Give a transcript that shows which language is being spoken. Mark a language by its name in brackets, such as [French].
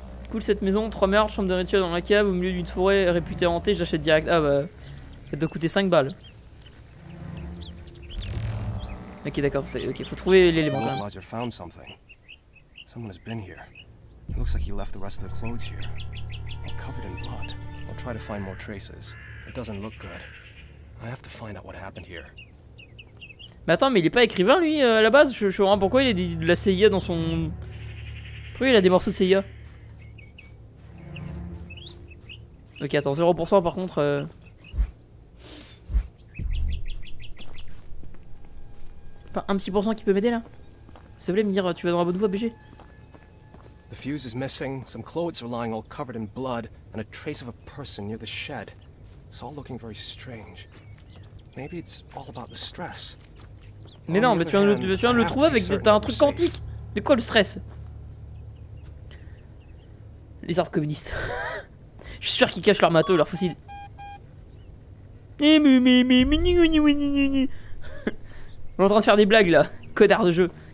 [French] Cool cette maison, 3 meurtres, chambre de rituel dans la cave, au milieu d'une forêt réputée hantée, j'achète direct. Ah bah, ça doit coûter 5 balles. Ok d'accord, c'est ok, faut trouver l'élément là. [English] Localizer found something. Someone has been here. It looks like he left the rest of the clothes here. All covered in blood. I'll try to find more traces. It doesn't look good. I have to find out what happened here. [French] Mais attends, mais il est pas écrivain lui à la base, je comprends pourquoi il a de la CIA dans son... Pourquoi il a des morceaux de CIA? Ok, attends, 0% par contre. Pas un petit pourcent qui peut m'aider là? S'il vous plaît, me dire, tu vas dans la bonne voie, BG? [English] The fuse is missing, some clothes are lying all covered in blood, and a trace of a person near the shed. It's all looking very strange. Maybe it's all about the stress. [French] Mais non, mais tu viens de le trouver avec. T'as un truc quantique! Mais quoi le stress? Les arbres communistes. Je suis sûr qu'ils cachent leur matos, leur fossile. On est en train de faire des blagues là, connard de jeu.